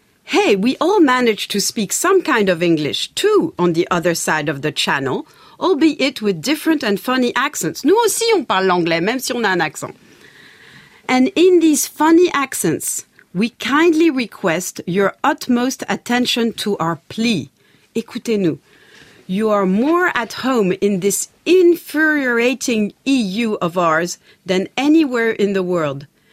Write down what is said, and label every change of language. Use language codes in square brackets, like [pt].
[en] Hey, we all manage to speak some kind of English, too, on the other side of the channel, albeit with different and funny accents. [fr] Nous aussi, on parle l'anglais, même si on a un accent. [en] And in these funny accents, we kindly request your utmost attention to our plea. [fr] Écoutez-nous. [en] You are more at home in this infuriating EU of ours than anywhere in the world.